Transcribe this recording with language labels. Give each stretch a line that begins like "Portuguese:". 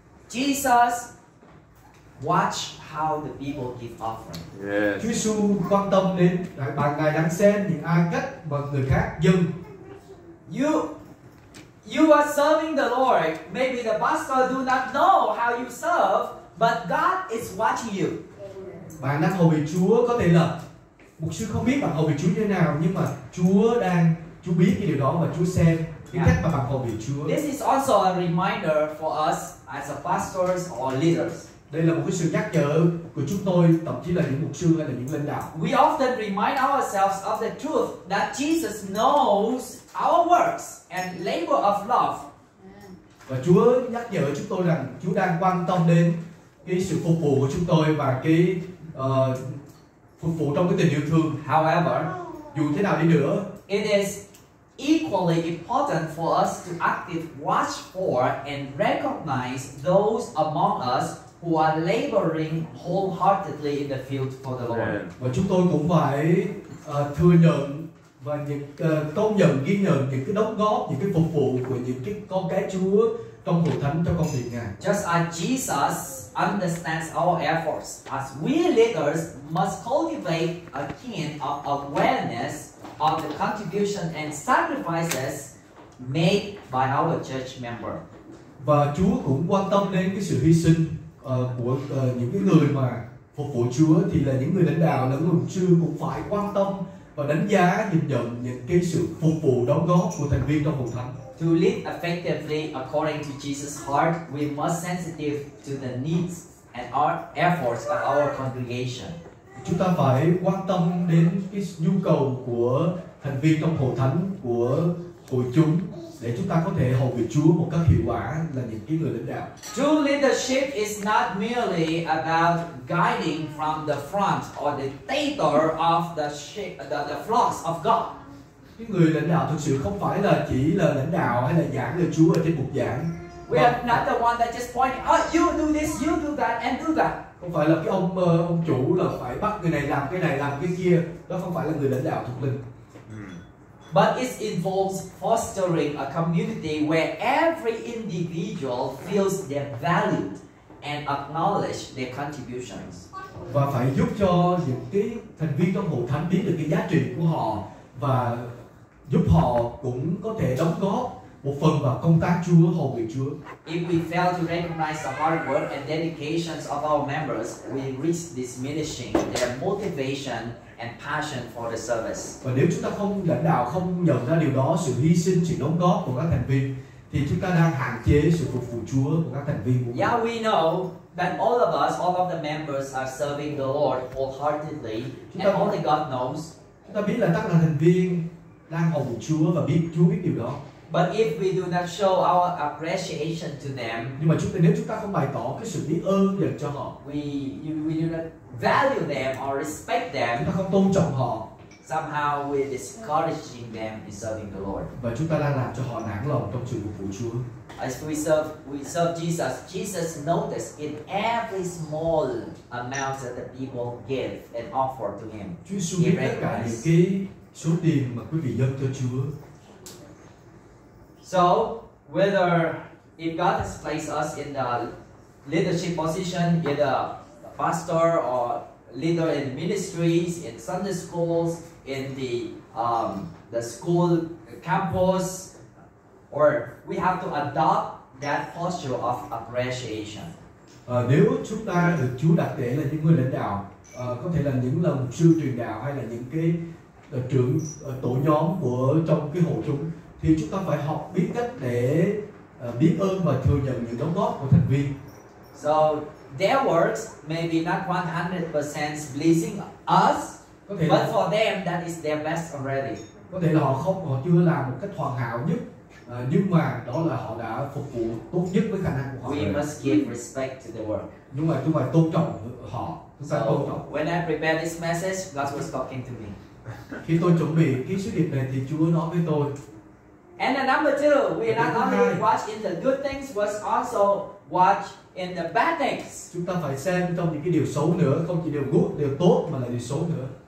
English: Jesus watch how the people give offering. Yes.
Vietnamese: Chúa Giêsu quan tâm đến đại bàng, Ngài đang xem những ai cách mà người khác dâng.
English: You are serving the Lord. Maybe the pastor do not know how you serve, but God is watching you.
Vietnamese: Bạn đang hầu về Chúa, có thể là mục sư không biết bạn hầu về Chúa như thế nào, nhưng mà Chúa biết cái điều đó và Chúa xem cái cách mà bạn hầu về Chúa.
English: This is also a reminder for us as a pastors or leaders.
Vietnamese: Đây là một cái sự nhắc nhở của chúng tôi, thậm chí là những mục sư hay là những lãnh đạo.
English: We often remind ourselves of the truth that Jesus knows our works and labor of love.
Vietnamese: Và Chúa nhắc nhở chúng tôi rằng Chúa đang quan tâm đến cái sự phục vụ của chúng tôi và cái phục vụ trong cái tình yêu thương.
English: However,
Vietnamese: dù thế nào đi nữa,
English: it is equally important for us to actively watch for and recognize those among us who are laboring wholeheartedly in the field for the Lord.
Vietnamese: Và chúng tôi cũng phải thừa nhận và công nhận, ghi nhận những cái đóng góp, những cái phục vụ của những cái con cái Chúa trong hội thánh, trong công việc Ngài.
English: Just as Jesus understands our efforts, as we leaders must cultivate a keen awareness of the contribution and sacrifices made by our church member.
Vietnamese: Và Chúa cũng quan tâm đến cái sự hy sinh của những cái người mà phục vụ Chúa, thì là những người lãnh đạo, là những mục sư cũng phải quan tâm và đánh giá, nhìn nhận những cái sự phục vụ đóng góp của thành viên trong hội thánh.
English: To live effectively according to Jesus' heart, we must sensitive to the needs and our efforts of our congregation.
Vietnamese: Chúng ta phải quan tâm đến cái nhu cầu của thành viên trong hội thánh, của hội chúng, để chúng ta có thể hầu việc Chúa một cách hiệu quả, là những cái người lãnh đạo.
English: True leadership is not merely about guiding from the front or the theater of the ship, the flocks of God.
Vietnamese: Cái người lãnh đạo thực sự không phải là chỉ là lãnh đạo hay là giảng lời Chúa ở trên bục giảng.
English: We are not the one that just pointing, oh, you do this, you do that, and do that.
Vietnamese: Không phải là cái ông chủ là phải bắt người này làm cái này, làm cái kia. Đó không phải là người lãnh đạo thuộc linh.
English: But it involves fostering a community where every individual feels they're valued and acknowledge their contributions.
Vietnamese: Và phải giúp cho những cái thành viên trong hội thánh biết được cái giá trị của họ, và giúp họ cũng có thể đóng góp một phần vào công tác Chúa, hầu việc Chúa.
English: If we fail to recognize the hard work and dedications of our members, we risk diminishing their motivation and passion for the service.
Vietnamese: Và nếu chúng ta không lãnh đạo, không nhận ra điều đó, sự hy sinh, sự đóng góp của các thành viên, thì chúng ta đang hạn chế sự phục vụ Chúa của các thành viên của mình.
English: Yeah, we know that all of us, all of the members are serving the Lord wholeheartedly, and only God knows.
Vietnamese: Chúng ta biết là tất cả thành viên đang hầu việc Chúa và biết Chúa biết điều đó.
English: But if we do not show our appreciation to them,
Vietnamese: nhưng mà nếu chúng ta không bày tỏ cái sự biết ơn dành cho họ,
English: we do not value them or respect them,
Vietnamese: chúng ta không tôn trọng họ,
English: somehow we are discouraging them in serving the Lord.
Vietnamese: Và chúng ta đang làm cho họ nản lòng trong sự phục vụ Chúa.
English: As we serve Jesus, Jesus noticed in every small amount that the people give and offer to Him.
Vietnamese: Chúa Jesus biết tất cả những cái số tiền mà quý vị dâng cho Chúa.
English: So, whether if God has placed us in the leadership position, either a pastor or leader in ministries, in Sunday schools, in the school campus, or we have to adopt that posture of appreciation.
Vietnamese: Nếu chúng ta được Chúa đặt để là những người lãnh đạo, có thể là những lần sư truyền đạo hay là những cái trưởng tổ nhóm của trong cái hội chúng, thì chúng ta phải học biết cách để biết ơn và thừa nhận những đóng góp của thành viên.
English: So their works may be not 100% pleasing us, but for them that is their best already.
Vietnamese: Có thể là họ chưa làm một cách hoàn hảo nhất, nhưng mà đó là họ đã phục vụ tốt nhất với khả năng của họ.
English: We must give respect to their work.
Vietnamese: Nhưng mà chúng ta phải tôn trọng họ.
English: When I prepared this message, God was talking to me.
Vietnamese: Khi tôi chuẩn bị cái sứ điệp này thì Chúa nói với tôi.
English: And the number two, we not only watch in the good things, but also watch in the bad things.
Vietnamese: Chúng ta phải xem trong những cái điều xấu nữa, không chỉ điều good, điều tốt mà là điều xấu nữa.